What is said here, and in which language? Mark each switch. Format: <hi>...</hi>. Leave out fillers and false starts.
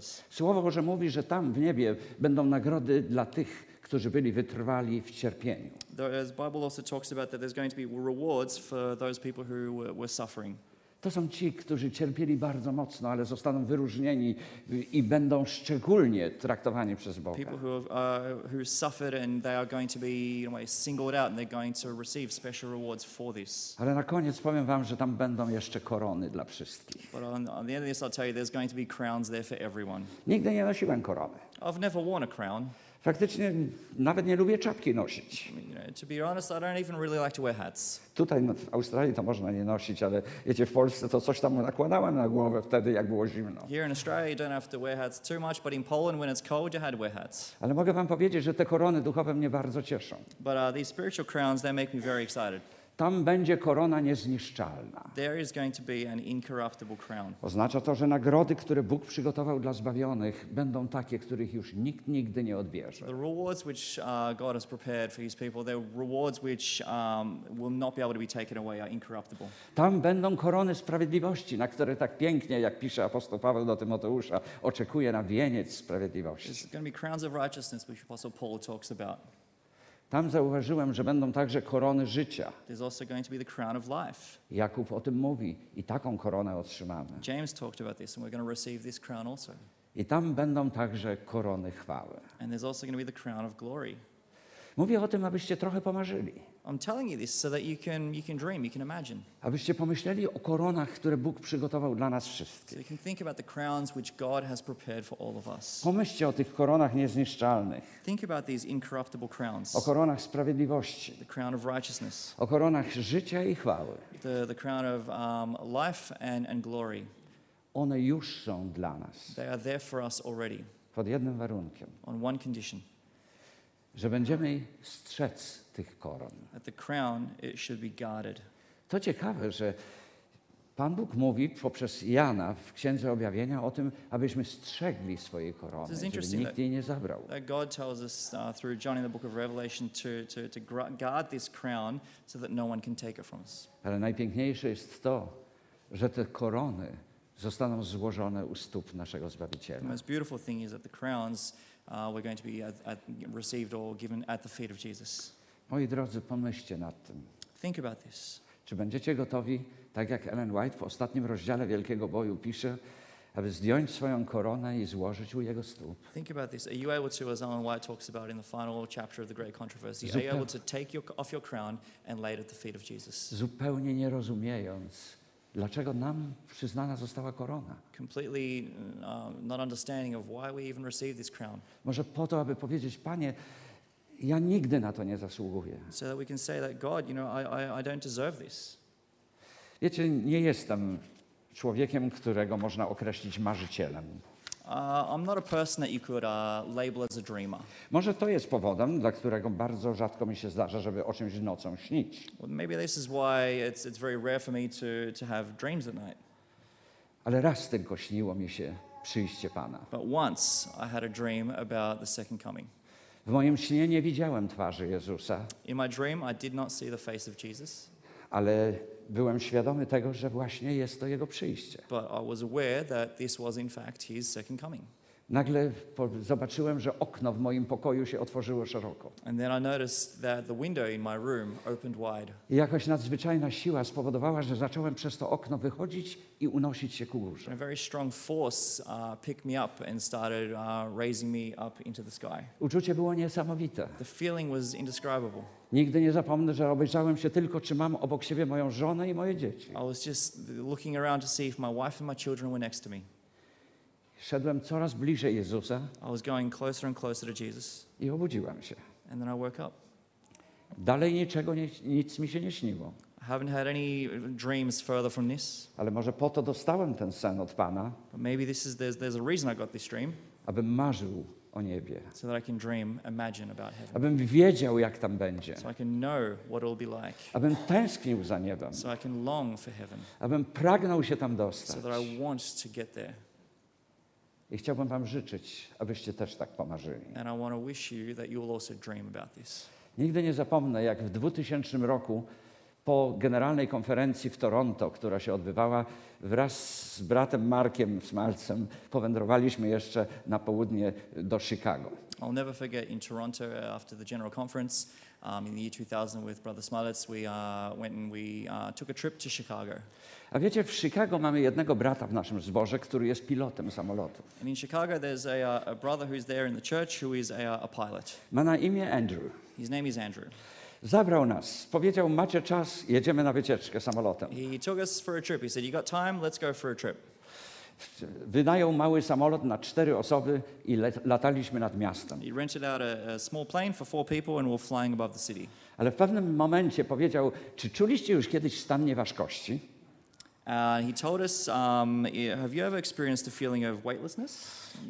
<pl>Słowo Boże mówi, że tam w niebie będą nagrody dla tych, którzy byli wytrwali w cierpieniu.</pl> <en>The Bible also talks about that there's going to be rewards for those people who were suffering.</en> <pl>To są ci, którzy cierpieli bardzo mocno, ale zostaną wyróżnieni i będą szczególnie traktowani przez Boga.</pl> <en>People who suffered and they are going to be in a way singled out and they're going to receive special rewards for this.</en> <pl>Ale na koniec powiem wam, że tam będą jeszcze korony dla wszystkich.</pl> <en>But on the end of this, I'll tell you, there's going to be crowns there for everyone.</en> <pl>Nigdy nie nosiłem korony.</pl> <en>I've never worn a crown.</en> <pl>Faktycznie nawet nie lubię czapki nosić.</pl> <en>To be honest, I don't even really like to wear hats.</en> <pl>Tutaj w Australii to można nie nosić, ale wiecie, w Polsce to coś tam nakładałem na głowę wtedy, jak było zimno.</pl> <en>Here in Australia you don't have to wear hats too much, but in Poland when it's cold you had to wear hats.</en> <pl>Ale mogę wam powiedzieć, że te korony duchowe mnie bardzo cieszą.</pl> <en>But these spiritual crowns, they make me very excited.</en> <pl>Tam będzie korona niezniszczalna.</pl> <en>There is going to be an incorruptible crown.</en> <pl>Oznacza to, że nagrody, które Bóg przygotował dla zbawionych, będą takie, których już nikt nigdy nie odbierze.</pl> <en>The rewards which God has prepared for his people, they're rewards which will not be able to be taken away, are incorruptible.</en> <pl>Tam będą korony sprawiedliwości, na które tak pięknie, jak pisze apostoł Paweł do Tymoteusza, oczekuje na wieniec sprawiedliwości.</pl> <en>There's going to be crowns of righteousness which apostle Paul talks about.</en> <pl>Tam zauważyłem, że będą także korony życia.</pl> <en>There's also going to be the crown of life.</en> <pl>Jakub o tym mówi i taką koronę otrzymamy.</pl> <en>James talked about this and we're going to receive this crown also.</en> <pl>I tam będą także korony chwały.</pl> <en>And there's also going to be the crown of glory.</en> <pl>Mówię o tym, abyście trochę pomarzyli.</pl> <en>I'm telling you this so that you can dream, you can imagine.</en> <pl>Abyście pomyśleli o koronach, które Bóg przygotował dla nas wszystkich.</pl> <en>So you can think about the crowns which God has prepared for all of us.</en> <pl>Pomyślcie o tych koronach niezniszczalnych.</pl> <en>Think about these incorruptible crowns.</en> <pl>O koronach sprawiedliwości.</pl> <en>The crown of righteousness.</en> <pl>O koronach życia i chwały.</pl> <en>The crown of life and glory.</en> <pl>One już są dla nas.</pl> <en>They are there for us already.</en> <pl>Pod jednym warunkiem.</pl> <en>On one condition.</en> <pl>Że będziemy strzec tych koron.</pl> <en>At the crown, it should be guarded.</en> <pl>To ciekawe, że Pan Bóg mówi poprzez Jana w Księdze Objawienia o tym, abyśmy strzegli swojej korony, żeby nikt jej nie zabrał.</pl> <en>That God tells us through John in the book of Revelation to guard this crown so that no one can take it from us.</en> <pl>Ale najpiękniejsze jest to, że te korony zostaną złożone u stóp naszego Zbawiciela.</pl> <en>The most beautiful thing is that the crowns we're going to be received or given at the feet of Jesus.</en> <pl>Moi drodzy, pomyślcie nad tym.</pl> <en>Think about this.</en> <pl>Czy będziecie gotowi, tak jak Ellen White w ostatnim rozdziale Wielkiego Boju pisze, aby zdjąć swoją koronę i złożyć u jego stóp.</pl> <en>Think about this. Are you able to, as Ellen White talks about in the final chapter of the Great Controversy, are you able to take your, off your crown and lay it at the feet of Jesus?</en> <pl>Zupełnie nie rozumiejąc, dlaczego nam przyznana została korona?</pl> <en>Completely not understanding of why we even received this crown.</en> <pl>Może po to, aby powiedzieć, Panie, ja nigdy na to nie zasługuję.</pl> <en>So that we can say that God, you know, I don't deserve this.</en> <pl>Wiecie, nie jestem człowiekiem, którego można określić marzycielem.</pl> <en>I'm not a person that you could label as a dreamer.</en> <pl>Może to jest powodem, dla którego bardzo rzadko mi się zdarza, żeby o czymś nocą śnić.</pl> <en>Well, maybe this is why it's very rare for me to have dreams at night.</en> <pl>Ale raz tylko śniło mi się przyjście Pana.</pl> <en>But once I had a dream about the second coming.</en> <pl>W moim śnie nie widziałem twarzy Jezusa.</pl> <en>In my dream I did not see the face of Jesus.</en> <pl>Ale byłem świadomy tego, że właśnie jest to jego przyjście.</pl> <en>But I was aware that this was in fact his second coming.</en> <pl>Nagle zobaczyłem, że okno w moim pokoju się otworzyło szeroko.</pl> <en>And then I noticed that the window in my room opened wide.</en> <pl>I jakaś nadzwyczajna siła spowodowała, że zacząłem przez to okno wychodzić i unosić się ku górze.</pl> <en>A very strong force picked me up and started raising me up into the sky.</en> <pl>Uczucie było niesamowite.</pl> <en>The feeling was indescribable.</en> <pl>Nigdy nie zapomnę, że obejrzałem się tylko, czy mam obok siebie moją żonę i moje dzieci.</pl> <en>I was just looking around to see if my wife and my children were next to me.</en> <pl>Szedłem coraz bliżej Jezusa.</pl> <en>I was going closer and closer to Jesus.</en> <pl>I obudziłem się.</pl> <en>And then I woke up.</en> <pl>Dalej niczego nic mi się nie śniło.</pl> <en>I haven't had any dreams further from this.</en> <pl>Ale może po to dostałem ten sen od Pana.</pl> <en>But maybe this is there's a reason I got this dream.</en> <pl>Abym marzył o niebie.</pl> <en>So that I can dream, imagine about heaven.</en> <pl>Abym wiedział, jak tam będzie.</pl> <en>So I can know what it'll be like.</en> <pl>Abym tęsknił za niebem.</pl> <en>So I can long for heaven.</en> <pl>Abym pragnął się tam dostać.</pl> <en>So that I want to get there.</en> <pl>I chciałbym wam życzyć, abyście też tak pomarzyli.</pl> <en>And I want to wish you that you will also dream about this.</en> <pl>Nigdy nie zapomnę, jak w 2000 roku po generalnej konferencji w Toronto, która się odbywała, wraz z bratem Markiem Smalcem powędrowaliśmy jeszcze na południe do Chicago.</pl> <en>I'll never forget in Toronto after the general conference in the year 2000 with brother Smalec, we took a trip to Chicago.</en> <pl>A wiecie, w Chicago mamy jednego brata w naszym zborze, który jest pilotem samolotu.</pl> <en>And in Chicago there's a brother who's there in the church who is a pilot.</en> <pl>Ma na imię Andrew.</pl> <en>His name is Andrew.</en> <pl>Zabrał nas. Powiedział, macie czas, jedziemy na wycieczkę samolotem.</pl> <en>He took us for a trip. He said, you got time, let's go for a trip.</en> <pl>Wynajął mały samolot na 4 osoby i lataliśmy nad miastem.</pl> <en>He rented out a small plane for 4 people and we're flying above the city.</en> <pl>Ale w pewnym momencie powiedział, czy czuliście już kiedyś stan nieważkości?</pl> <en>He told us, have you ever experienced a feeling of weightlessness?</en>